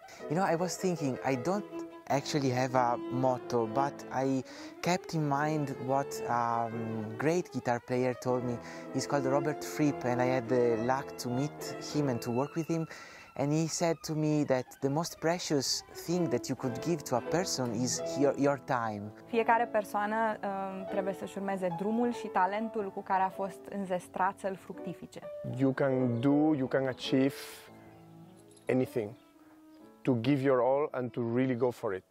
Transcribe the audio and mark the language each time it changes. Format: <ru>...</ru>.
<en>You know, I was thinking, I don't actually have a motto, but I kept in mind what a great guitar player told me. He's called Robert Fripp, and I had the luck to meet him and to work with him. And he said to me that the most precious thing that you could give to a person is your time.</en> <ro>Fiecare persoană trebuie să-și urmeze drumul și talentul cu care a fost înzestrat să-l fructifice.</ro> <en>You can do, you can achieve anything. To give your all and to really go for it.</en>